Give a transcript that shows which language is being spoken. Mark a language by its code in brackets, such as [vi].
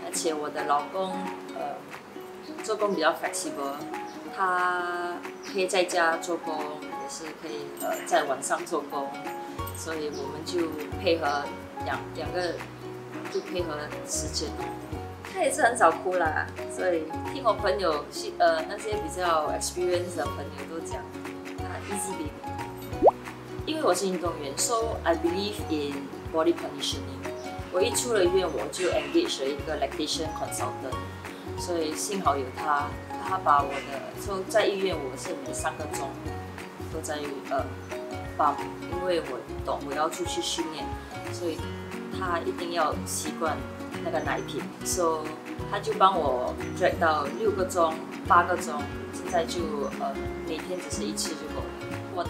[zh] 而且我的老公，做工比较 flexible， 他可以在家做工，也是可以在晚上做工，所以我们就配合两个就配合时间。他也是很少哭啦，所以听我朋友那些比较 experienced 的朋友都讲， [en] easy baby。 [zh] 因为我是运动员 [en] ，so I believe in body conditioning。 [zh] 我一出了院，我就 engage 了一个 lactation consultant， 所以幸好有他，他把我的就在医院，我是每3个钟都在帮，因为我懂我要出去训练，所以他一定要习惯那个奶瓶，所以他就帮我 drag 到6个钟、8个钟，现在就每天只是一次就够了。